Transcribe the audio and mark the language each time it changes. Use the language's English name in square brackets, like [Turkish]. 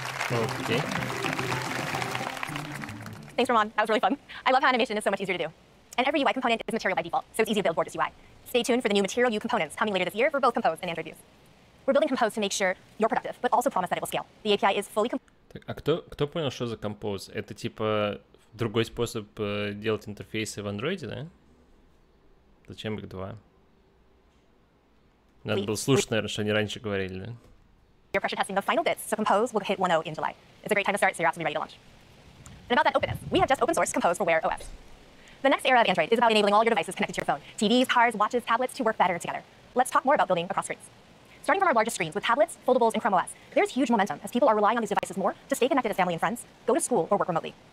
[English] Okay. Thanks, Roman. That was really fun. I love how animation is so much easier to do. And every UI component is material by default, so it's easy to build gorgeous UI. Stay tuned for the new Material U components coming later this year for both Compose and Android Views. We're building Compose to make sure you're productive, but also promise that it will scale. The API is fully [Russian] А кто понял, что за Compose? Это типа другой способ делать интерфейсы в Android, да? Зачем их два? Надо было слушать, наверное, что они раньше говорили, да? [English] You're pressure testing the final bits, so Compose will hit 1.0 in July. It's a great time to start, so your apps will be ready to launch. And about that openness, we have just open sourced Compose for Wear OS. The next era of Android is about enabling all your devices connected to your phone, TVs, cars, watches, tablets, to work better together. Let's talk more about building across screens. Starting from our largest screens with tablets, foldables, and Chrome OS, there's huge momentum as people are relying on these devices more to stay connected to family and friends, go to school, or work remotely.